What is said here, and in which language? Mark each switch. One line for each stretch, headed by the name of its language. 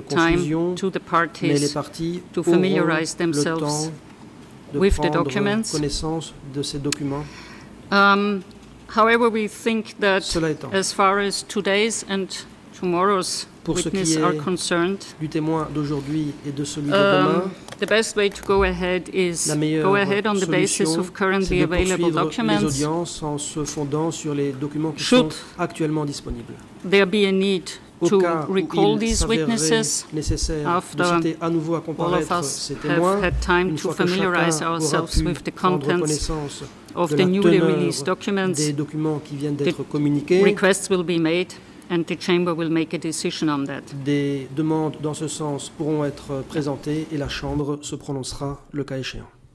English: time to the parties to familiarize themselves with the documents.
French: Connaissance de ces documents.
English: However, we think that as far as today's and tomorrow's witnesses are concerned,
French: du témoin d'aujourd'hui et de celui de demain,
English: the best way to go ahead is go ahead on the basis of currently available documents.
French: Les audiences en se fondant sur les documents qui sont actuellement disponibles.
English: There be a need to recall these witnesses
French: nécessaire
English: after
French: de citer à nouveau à comparaître
English: all of us
French: ces témoins,
English: have had time to familiarize ourselves with the contents of the newly released documents.
French: Des documents qui viennent d'être communiqués.
English: Requests will be made. And the chamber will make a decision on that.
French: Des demandes dans ce sens pourront être présentées et la chambre se prononcera le cas échéant.